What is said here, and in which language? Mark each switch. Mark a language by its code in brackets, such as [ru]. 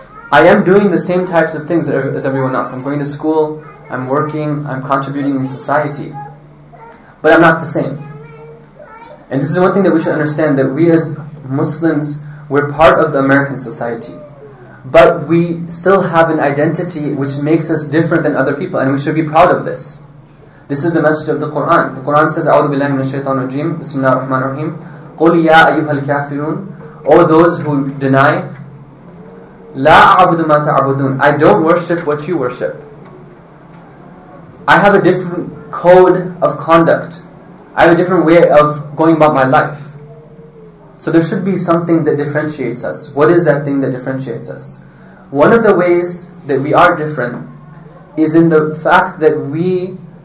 [en] I am doing the same types of things as everyone else. I'm going to school, I'm working, I'm contributing in society, but I'm not the same. And this is one thing that we should understand, that we as Muslims, we're part of the American society, but we still have an identity which makes us different than other people, and we should be proud of this. This is the message of the Quran. The Quran says, [ar] أعوذ بالله من الشيطان الرجيم بسم الله الرحمن الرحيم قل يا أيها الكافرون, [en] O those who deny, [ar] لا أعبد ما تعبدون, [en] I don't worship what you worship. I have a different code of conduct. I have a different way of going about my life. So there should be something that differentiates us. What is that thing that differentiates us? One of the ways that we are different is in the fact that we